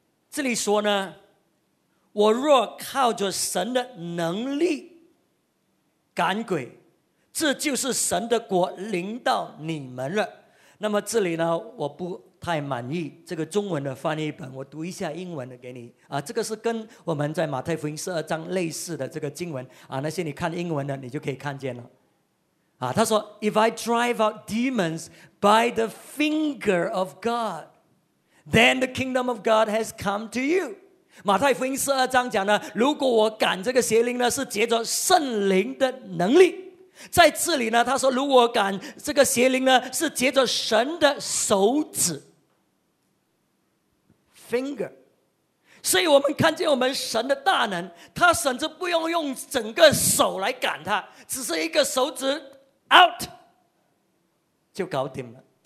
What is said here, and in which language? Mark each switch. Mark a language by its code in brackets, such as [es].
[zh] 这里说呢，我若靠着神的能力赶鬼，这就是神的国临到你们了。那么这里呢，我不太满意这个中文的翻译本，我读一下英文的给你啊。这个是跟我们在马太福音十二章类似的这个经文啊，那些你看英文的你就可以看见了啊。他说 [en] If I drive out demons by the finger of God, then the kingdom of God has come to you。 [zh] 马太福音十二章讲呢，如果我赶这个邪灵呢，是藉着圣灵的能力。在这里呢，他说如果赶这个邪灵呢，是藉着神的手指 finger。所以我们看见我们神的大能，他甚至不用用整个手来赶他，只是一个手指 out 就搞定了。